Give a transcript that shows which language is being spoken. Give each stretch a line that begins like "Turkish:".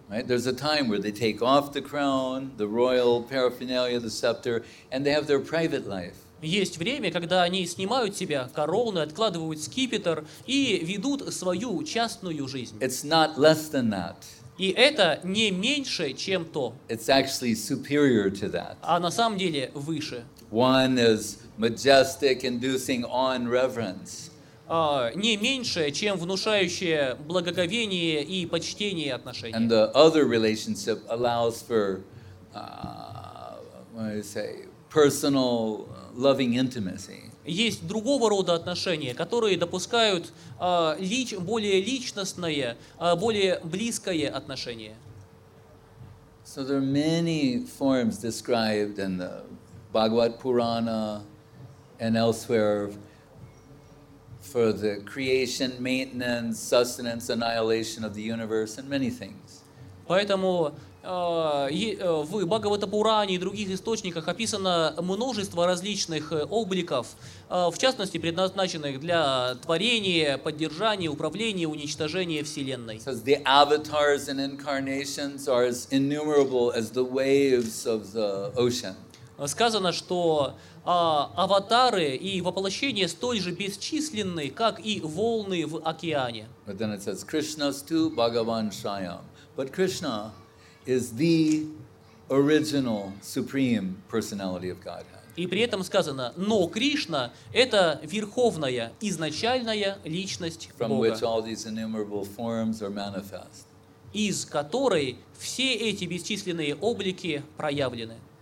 English: Right? There's a time where they take off the crown, the royal paraphernalia, the scepter, and they have their private life.
Russian: Есть время, когда они снимают себя короны, откладывают скипетр и ведут свою частную жизнь.
English: It's not less than that.
Russian: И это не меньше, чем то.
English: It's actually superior to that.
Russian: А на самом деле выше.
English: One is majestic, inducing awe and reverence.
Russian: Не меньше, чем внушающее благоговение и почтение отношения.
English: And the other relationship allows for, what do you say, personal loving intimacy.
Russian: Есть другого рода отношения, которые допускают более личностное, более близкое отношение.
English: So there are many forms described in the Bhagavad Purana and elsewhere for the creation, maintenance, sustenance, annihilation of the universe and many things.
Russian: Поэтому в Бхагавата-Пуране и других источниках описано множество различных обликов, в частности, предназначенных для творения, поддержания, управления, уничтожения Вселенной.
English: So the avatars and incarnations are as innumerable as the waves of the ocean.
Russian: Сказано, что аватары и воплощения столь же бесчисленны, как и волны в океане.
English: But then it says,
Sanskrit: Krishna stu Bhagavan Shyam.
English: But Krishna is the original supreme personality of Godhead.
Russian: И при этом сказано, но Кришна — это верховная, изначальная личность Бога.
English: From which all these innumerable forms are manifest.
Russian: Из которой все эти бесчисленные облики проявлены.